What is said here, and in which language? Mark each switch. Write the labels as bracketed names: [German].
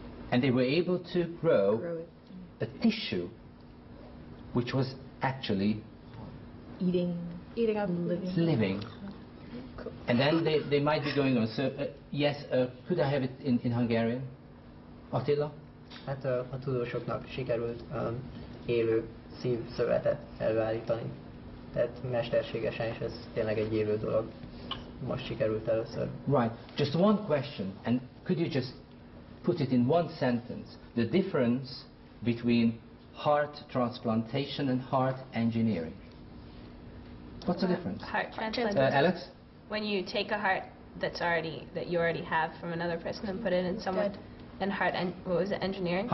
[English] And they were able to grow a tissue which was actually... Eating up living. Cool. And then they might be going on. So could I have it in Hungarian? Attila? [Hungarian] Hát a tudósoknak sikerült élő szívszövetet előállítani. Tehát mesterségesen is ez tényleg egy élő dolog. Most sikerült először. [English] Right. Just one question. And could you just put it in one sentence? The difference between heart transplantation and heart engineering. What's the difference? Heart transplantation. Alex? When you take a heart that you already have from another person and put it in someone, and engineering?